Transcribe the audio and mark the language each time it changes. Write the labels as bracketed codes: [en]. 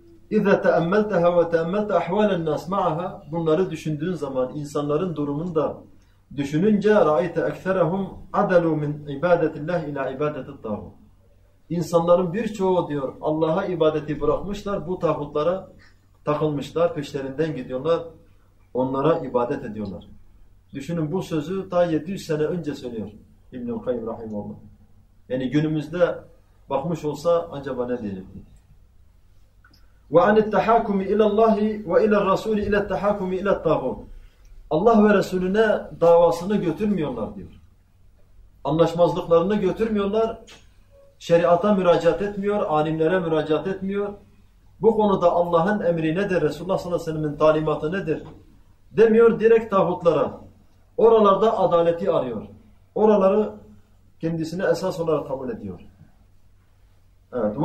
[ar] اِذَا تَأَمَّلْتَهَا وَتَأَمَّلْتَ اَحْوَالَ النَّاسِ مَعَهَا, [tr] bunları düşündüğün zaman, insanların durumunu da düşününce, [ar] رَعَيْتَ اَكْثَرَهُمْ عَدَلُوا مِنْ عِبَادَةِ اللّٰهِ اِلَى عِبَادَةِ الطَّاغُوتِ, [tr] İnsanların birçoğu diyor Allah'a ibadeti bırakmışlar, bu tağutlara takılmışlar, peşlerinden gidiyorlar, onlara ibadet ediyorlar. Düşünün, bu sözü ta 700 sene önce söylüyor İbn-i Kayyum Rahimullah. Yani günümüzde bakmış olsa acaba ne diyecekti? [ar] وَعَنِ التَّحَاكُمِ اِلَى اللّٰهِ وَاِلَى الرَّسُولِ اِلَى التَّحَاكُمِ اِلَى الطَّاغُوتِ, [tr] Allah ve Resulüne davasını götürmüyorlar diyor. Anlaşmazlıklarını götürmüyorlar. Şeriata müracaat etmiyor, alimlere müracaat etmiyor. Bu konuda Allah'ın emri nedir, Resulullah sallallahu aleyhi ve sellem'in talimatı nedir demiyor, direkt tağutlara. Oralarda adaleti arıyor. Oraları kendisine esas olarak kabul ediyor. Evet.